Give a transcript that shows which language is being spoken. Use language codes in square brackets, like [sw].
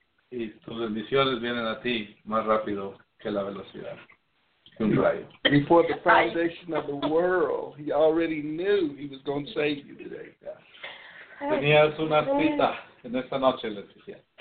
[es] Y tus bendiciones vienen a ti más rápido que la velocidad. [en] Before the foundation of the world, he already knew he was going to save you today. [es] Tenías una cita en esta noche, les decía.